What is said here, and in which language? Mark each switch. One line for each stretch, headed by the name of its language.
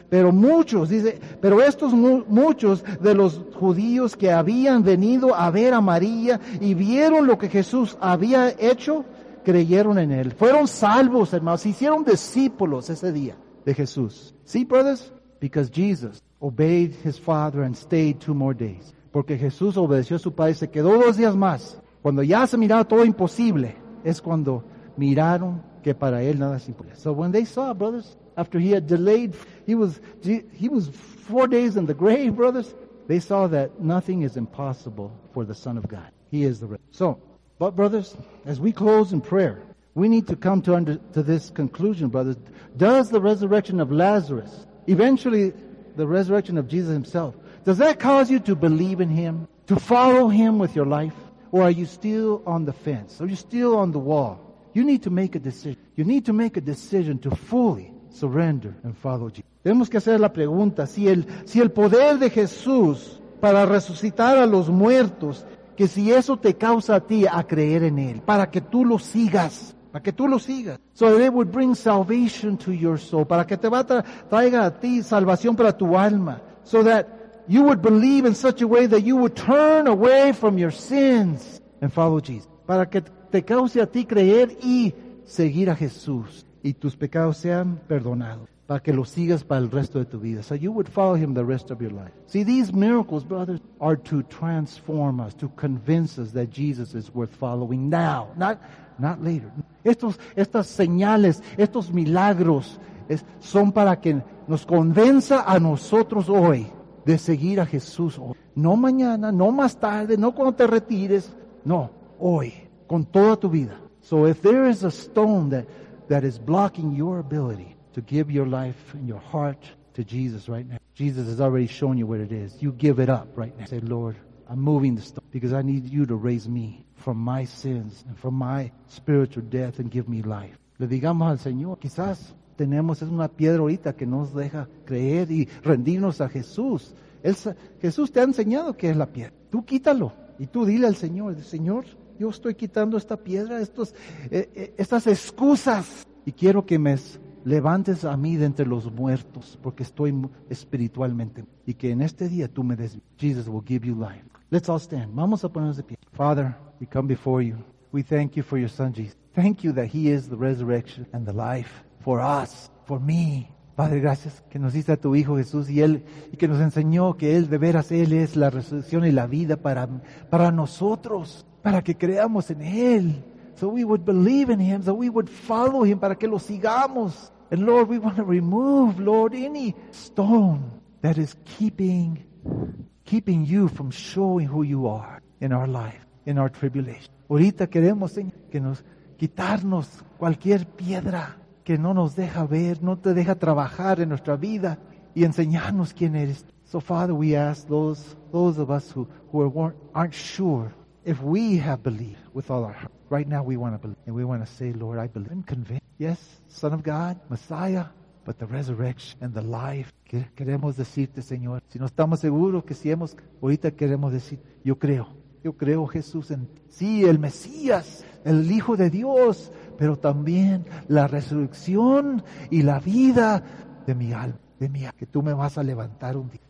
Spanish: Pero muchos, dice, pero estos muchos de los judíos que habían venido a ver a María y vieron lo que Jesús había hecho, creyeron en él. Fueron salvos, hermanos. Se hicieron discípulos ese día de Jesús.
English: See, brothers? Because Jesus obeyed his father and stayed 2 more days.
Spanish: Porque Jesús obedeció a su padre y se quedó 2 días más. Cuando ya se miraba todo imposible, es cuando miraron que para él nada es imposible.
English: So when they saw, brothers, after he had delayed, he was 4 days in the grave, brothers, they saw that nothing is impossible for the Son of God. He is the resurrection. But brothers, as we close in prayer, we need to come to this conclusion, brothers. Does the resurrection of Lazarus, eventually the resurrection of Jesus himself, does that cause you to believe in him, to follow him with your life? Or are you still on the fence? Are you still on the wall? You need to make a decision. You need to make a decision to fully surrender and follow Jesus.
Spanish: Tenemos que hacer la pregunta, si el poder de Jesús para resucitar a los muertos, que si eso te causa a ti a creer en él, para que tú lo sigas, para que tú lo sigas.
English: So that it would bring salvation to your soul,
Spanish: para que te va a traiga a ti salvación para tu alma.
English: So that you would believe in such a way that you would turn away from your sins and follow Jesus.
Spanish: Para que te cause a ti creer y seguir a Jesús, y tus pecados sean perdonados, para que lo sigas para el resto de tu vida.
English: So you would follow him the rest of your life. See, these miracles, brothers, are to transform us, to convince us that Jesus is worth following now, not later.
Spanish: Estas señales, estos milagros, son para que nos convenza a nosotros hoy de seguir a Jesús hoy. No mañana, no más tarde, no cuando te retires. No, hoy, con toda tu vida.
English: So if there is a stone that is blocking your ability to give your life and your heart to Jesus right now, Jesus has already shown you what it is. You give it up right now. Say, Lord, I'm moving the stone because I need you to raise me from my sins and from my spiritual death and give me life.
Spanish: Le digamos al Señor, quizás tenemos una piedra ahorita que nos deja creer y rendirnos a Jesús. Jesús te ha enseñado que es la piedra. Tú quítalo y tú dile al Señor, Señor, yo estoy quitando esta piedra, estas excusas, y quiero que me levantes a mí de entre los muertos, porque estoy espiritualmente. Y que en este día tú me des.
English: Jesus will give you life. Let's all stand.
Spanish: Vamos a ponernos de pie.
English: Father, we come before you. We thank you for your son, Jesus. Thank you that he is the resurrection and the life for us, for me.
Spanish: Padre, gracias que nos diste a tu Hijo Jesús y que nos enseñó que Él, de veras, Él es la resurrección y la vida para nosotros, para que creamos en Él.
English: So we would believe in Him, so we would follow Him,
Spanish: para que lo sigamos.
English: And Lord, we want to remove, Lord, any stone that is keeping you from showing who you are in our life, in our tribulation.
Spanish: Ahorita queremos, Señor, que nos quitarnos cualquier piedra que no nos deja ver, no te deja trabajar en nuestra vida y enseñarnos quién eres.
English: So Father, we ask those of us who aren't sure if we have believed with all our heart. Right now we want to believe. And we want to say, Lord, I believe. I'm convinced. Yes, Son of God, Messiah, but the resurrection and the life.
Spanish: Queremos decirte, Señor, si no estamos seguros que si hemos, ahorita queremos decir, yo creo Jesús en sí, el Mesías, el Hijo de Dios, pero también la resurrección y la vida de mi alma, que tú me vas a levantar un día.